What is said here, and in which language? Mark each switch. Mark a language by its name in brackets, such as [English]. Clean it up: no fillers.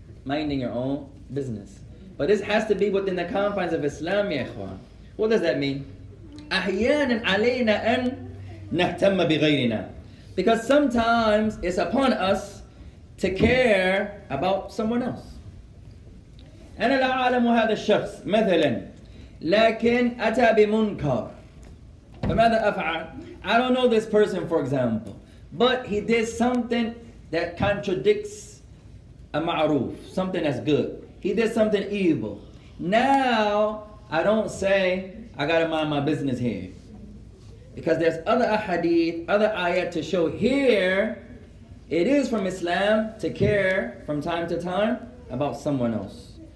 [English] Minding your own business. But this has to be within the confines of Islam, ya ikhwan. What does that mean? [Arabic] أحيانا علينا أن نهتم بغيرنا. [English] Because sometimes it's upon us to care about someone else. [Arabic] أنا لا أعلم هذا الشخص مثلا لكن أتى بمنكر فماذا أفعل? [English] I don't know this person for example but he did something that contradicts a معروف something that's good. He did something evil. Now I don't say I gotta mind my business here. Because there's other ahadith, other ayat to show here, it is from Islam to care from time to time about someone else.